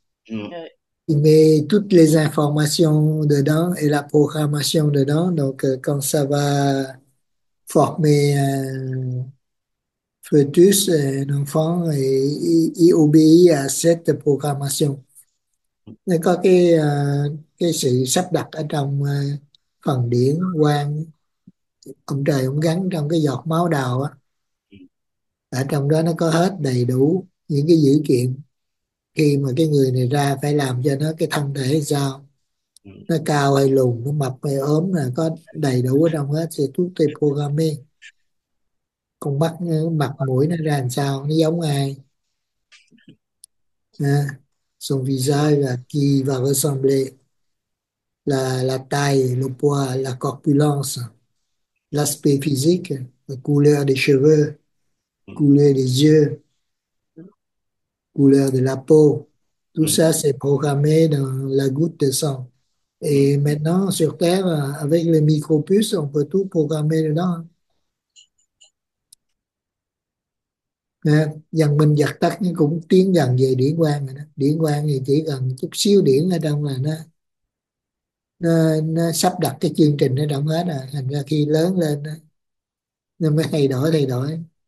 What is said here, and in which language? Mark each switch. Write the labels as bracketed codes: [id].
[fr] Il met toutes les informations dedans et la programmation dedans. Donc, quand ça va former un fœtus, un enfant, il obéit à cette programmation. Il y a [vi] cái sự sắp đặt ở trong phần điển quang, ông trời ông gắn trong cái giọt máu đào á. Ở trong đó nó có hết đầy đủ. những cái dữ kiện khi mà cái người này ra phải làm cho nó cái thân thể sao, nó cao hay lùn, nó mập hay ốm, là có đầy đủ ở trong hết, sẽ thuốc tê programming con mắt mặt mũi nó ra làm sao, nó giống ai [fr] à, son visage là qui va ressembler la taille, le poids, la corpulence, l'aspect physique, la couleur des cheveux, couleur des yeux, couleur de la peau. Tout ça, c'est programmé dans la goutte de sang. Et maintenant, sur Terre, avec les micro-puces, on peut tout programmer dedans. [vi] Nè, dần mình dập tắt nhưng cũng tiến dần về điện quang rồi đó. Điện quang thì chỉ cần chút xíu điện ở trong là nó sắp đặt cái chương trình nó động hết rồi. Thành ra khi lớn lên đó, nó mới thay đổi thay đổi.